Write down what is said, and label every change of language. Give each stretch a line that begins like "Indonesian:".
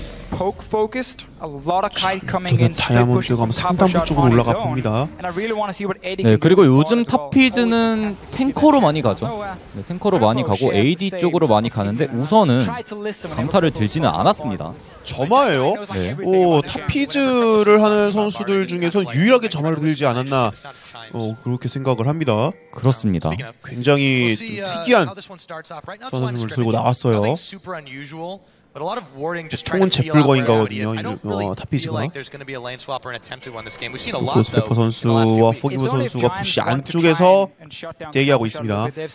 English: 포크 포커스트 a lot of kite coming in.
Korean: 다이아몬드가 상단부 쪽으로 올라가 봅니다. 네, 그리고 요즘 탑피즈는 탱커로 많이 가죠. 네, 탱커로 많이 가고 AD 쪽으로 많이 가는데 우선은 강타를 들지는 않았습니다. 점화예요? 네. 오, 탑피즈를 하는 선수들 중에서 유일하게 점화를 들지 않았나 그렇게 생각을 합니다. 그렇습니다. 굉장히 특이한 선수를 들고 나왔어요.
English: But a lot of warding just trying to feel out right out here. I don't really feel like there's going to be a lane swap or an attempted one this game. We've seen a lot though.
Korean: 코스페퍼 선수와 포기브 선수가 부시 안쪽에서 대기하고 있습니다.